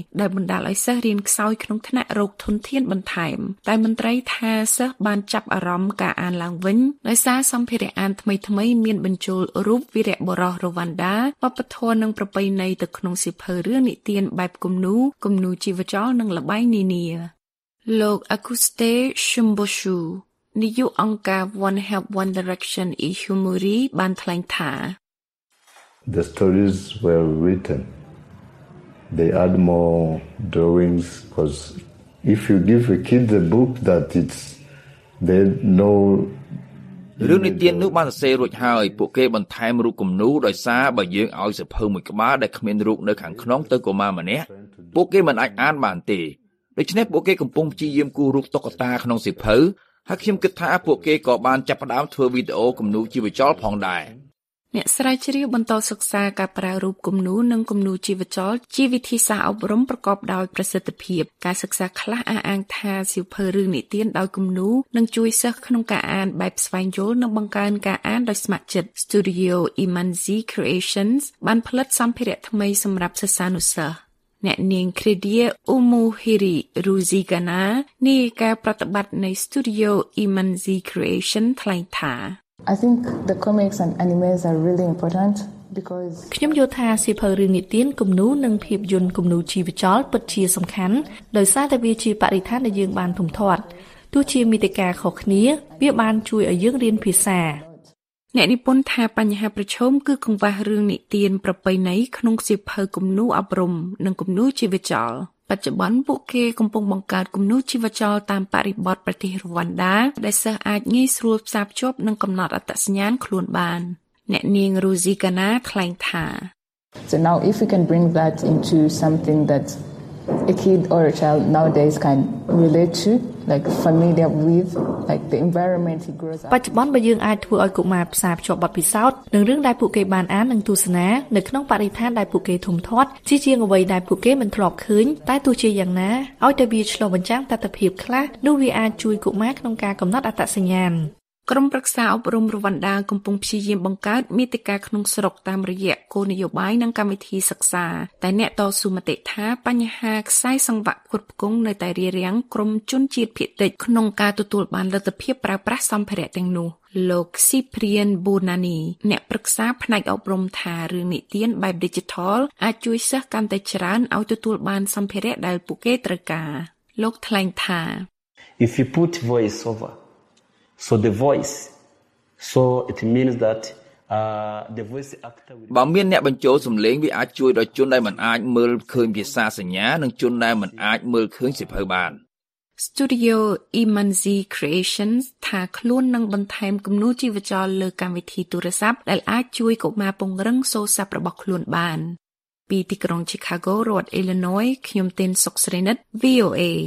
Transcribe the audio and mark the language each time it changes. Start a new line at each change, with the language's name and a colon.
Khmer: ដែលបណ្ដាលឲ្យសិស្សរៀនខ្សោយក្នុងថ្នាក់រោគធនធានបន្ថែមតែមន្ត្រីថាសិស្សបានចាប់អារម្មណ៍ការអានឡើងវិញដោយសារសម្ភារៈអានថ្មីៗមានបញ្ចូលរូបវីរៈបុរសរ្វ៉ាន់ដាវប្បធម៌និងប្រពៃណីទៅក្នុងសៀវភៅរឿងនិទានបែបគំនូរជីវចលនិងលបែងនានាលោក Akuste Shumboshu នាយកអង្គការ One Help One Direction Ihumuri បានថ្លែងថា
English: The stories were written. They add more drawings because if you give a kid the book that it's they know
Khmer: រឿងនិទាននោះបានសរសេររួចហើយពួកគេបន្ថែមរូបគំនូរដោយសារបើយើងឲ្យសៀវភៅមួយក្បាលដែលគ្មានរូបនៅខាងក្នុងទៅកុមារម្នាក់ពួកគេមិនអាចអានបានទេដូច្នេះពួកគេកំពុងព្យាយាមគូររូបតុក្កតាក្នុងសៀវភៅហើយខ្ញុំគិតថាពួកគេក៏បានចាប់ផ្ដើមធ្វើវីដេអូគំនូរជីវចលផងដែរ អ្នកស្រាវជ្រាវបន្តសិក្សាការប្រើរូបគំនូរនិងគំនូរជីវចលជាវិធីសាស្ត្រអប់រំប្រកបដោយប្រសិទ្ធភាពការសិក្សាខ្លះអះអាងថាសៀវភៅរឿងនិទានដោយគំនូរនឹងជួយសិស្សក្នុងការអានបែបស្វែងយល់និងបង្កើនការអានដោយស្ម័គ្រចិត្ត Studio Imanzi Creations បានផលិតសម្ភារៈថ្មីសម្រាប់សិស្សានុសិស្សអ្នកនាងគ្រីឌីអ៊ូមូហ៊ីរីរូស៊ីកាណានាយិកាប្រតិបត្តិនៃ Studio Imanzi Creation ថ្លែងថា
English: I think the comics and animes are really important because
Khmer: ខ្ញុំយល់ថាសៀវភៅរឿងនិទានគំនូរនិងភាពយន្តគំនូរជីវចលពិតជាសំខាន់ដោយសារតែវាជាបរិស្ថានដែលយើងបានធំធាត់ទោះជាមេតិកាខុសគ្នាវាបានជួយឲ្យយើងរៀនភាសា អ្នកនិពន្ធថាបញ្ហាប្រឈមគឺកង្វះរឿងនិទានប្រពៃណីក្នុងសៀវភៅគំនូរអប់រំនិងគំនូរជីវចលបច្ចុប្បន្នពួកគេកំពុងបង្កើតគំនូរជីវចលតាមបរិបទប្រទេសរ្វាន់ដាដែលសិស្សអាចងាយស្រួលផ្សារភ្ជាប់និងកំណត់អត្តសញ្ញាណខ្លួនបានអ្នកនាងរូស៊ីកាណាថ្លែងថា
English: So now if we can bring that into something that a kid or a child nowadays can relate to like familiar with like the environment he grows up
Khmer: បច្ចុប្បន្នបើយើងអាចធ្វើឲ្យកុមារផ្សារភ្ជាប់បទពិសោធន៍នឹងរឿងដែលពួកគេបានអាននិងទស្សនានៅក្នុងបរិស្ថានដែលពួកគេធំធាត់ជាជាងអ្វីដែលពួកគេមិនធ្លាប់ឃើញតែទោះជាយ៉ាងណាឲ្យតែវាឆ្លុះបញ្ចាំងតថភាពខ្លះនោះវាអាចជួយកុមារក្នុងការកំណត់អត្តសញ្ញាណ ក្រមប្រឹក្សាអប់រំរវ៉ាន់ដាកំពុងព្យាយាមបង្កើតមាតិកាក្នុងស្រុកតាមរយៈគោលនយោបាយនិងកម្មវិធីសិក្សាតែអ្នកតស៊ូមតិថាបញ្ហាខ្សែសង្វាក់ផ្គត់ផ្គង់នៅតែរារាំងក្រុមជនជាតិភាគតិចក្នុងការទទួលបានលទ្ធភាពប្រើប្រាស់សម្ភារៈទាំងនោះលោកស៊ីព្រៀនប៊ូណានីអ្នកប្រឹក្សាផ្នែកអប់រំថារឿងនិទានបែប Digital អាចជួយសិស្សកាន់តែច្រើនឲ្យទទួលបានសម្ភារៈដែលពួកគេត្រូវការលោកថ្លែងថា
English: If you put voice overSo the voice, so it means that the voice actor will...
Khmer: បើមានអ្នកបញ្ចូលសំឡេងវាអាចជួយដល់ជនដែលមិនអាចមើលឃើញភាសាសញ្ញានិងជនដែលមិនអាចមើលឃើញសៀវភៅបាន Studio Imanzi Creations ថាខ្លួននឹងបន្ថែមគំនូរជីវចលលើកម្មវិធីទូរស័ព្ទដែលអាចជួយកុមារពង្រឹងសូរស័ព្ទរបស់ខ្លួនបានពីទីក្រុង Chicago រដ្ឋ Illinois ខ្ញុំទីនសុកស្រីនិត VOA